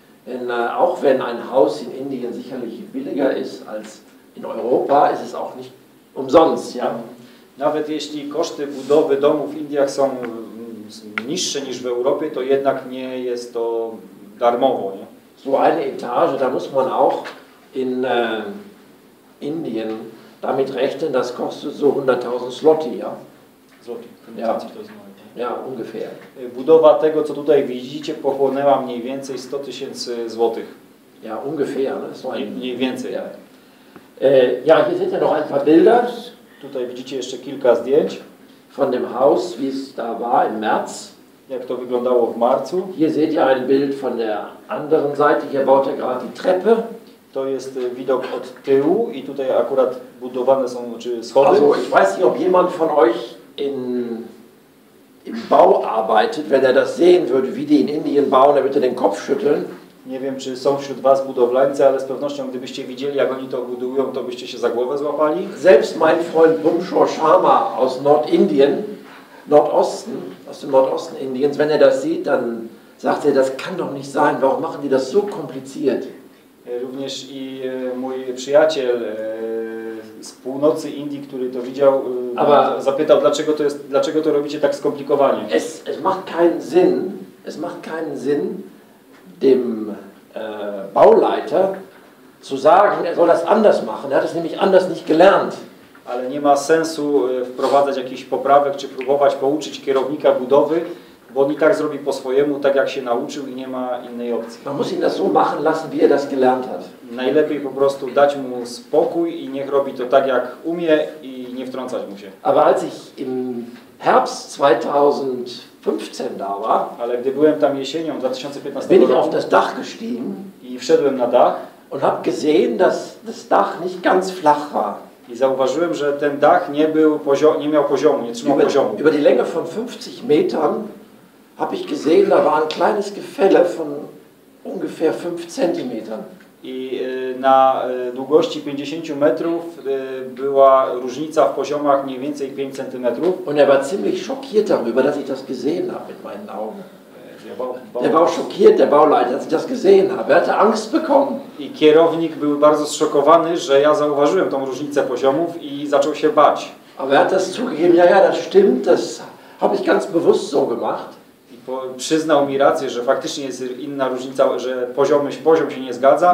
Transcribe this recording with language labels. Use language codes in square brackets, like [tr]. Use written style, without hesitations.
[de] Denn auch wenn ein Haus in Indien sicherlich billiger ist als in Europa, ist es auch nicht umsonst, ja? [pl] Nawet jeśli koszty budowy domu w Indiach są niższe niż w Europie, to jednak nie jest to darmowo, nie? [de] So eine Etage, da muss man auch in Indien damit rechnen, das kostet so 100.000 Zloty, ja? Zloty, 50.000. Ja, ungefähr. [pl] Budowa tego, co tutaj widzicie, pochłonęła mniej więcej 100 tysięcy złotych. [de] Ja, ungefähr. [pl] Ale są mniej więcej. [de] Ja, ja, hier sind ja noch ein paar Bilder. [pl] Tutaj widzicie jeszcze kilka zdjęć. [de] Von dem Haus, wie es da war im März. [pl] Jak to wyglądało w marcu. [de] Hier seht ihr ein Bild von der anderen Seite. Hier baut er gerade die Treppe. [pl] To jest widok od tyłu i tutaj akurat budowane są schody. [de] Also, ich weiß nicht, ob jemand von euch in Bau arbeitet, wenn er das sehen würde, wie die in Indien bauen, dann würde er den Kopf schütteln. [pl] Nie wiem, czy są wśród was budowlańcy, ale z pewnością, gdybyście widzieli, jak oni to budują, to byście się za głowę złapali. [de] Selbst mein Freund Bumshaw Sharma aus Nordindien, Nordosten, aus dem Nordosten Indiens, wenn das sieht, dann sagt das kann doch nicht sein. Warum machen die das so kompliziert? [pl] Również i mój przyjaciel z północy Indii, który to widział, aber zapytał, dlaczego to robicie tak skomplikowanie. [de] Es macht keinen Sinn. Es macht keinen Sinn, dem Bauleiter zu sagen, er soll das anders machen. Er hat es nämlich anders nicht gelernt. [pl] Ale nie ma sensu wprowadzać jakichś poprawek czy próbować pouczyć kierownika budowy, bo on i tak zrobi po swojemu, tak jak się nauczył i nie ma innej opcji. [de] Man muss ihn das so machen lassen, wie er das gelernt hat. [pl] Najlepiej po prostu dać mu spokój i niech robi to tak, jak umie i nie wtrącać mu się. [de] Aber als ich im Herbst 2015 da war, [pl] ale gdy byłem tam jesienią 2015 roku, [de] bin ich auf das Dach gestiegen [pl] i wszedłem na dach [de] und hab gesehen, dass das Dach nicht ganz flach war. [pl] I zauważyłem, że ten dach nie był nie miał poziomu, nie trzymał poziomu. [de] Über die Länge von 50 Metern habe ich gesehen, da war ein kleines Gefälle von ungefähr 5 cm. [pl] I na długości 50 metrów była różnica w poziomach mniej więcej 5 cm. [de] Und er war ziemlich schockiert darüber, dass ich das gesehen habe mit meinen Augen. Der war schockiert, der Bauleiter, als ich das gesehen habe. Er hatte Angst bekommen. [pl] I kierownik był bardzo zszokowany, że ja zauważyłem tą różnicę poziomów i zaczął się bać. [de] Aber er hat das zugegeben, ja, das stimmt, das habe ich ganz bewusst so gemacht. [pl] Przyznał mi rację, że faktycznie jest inna różnica, że poziom się nie zgadza.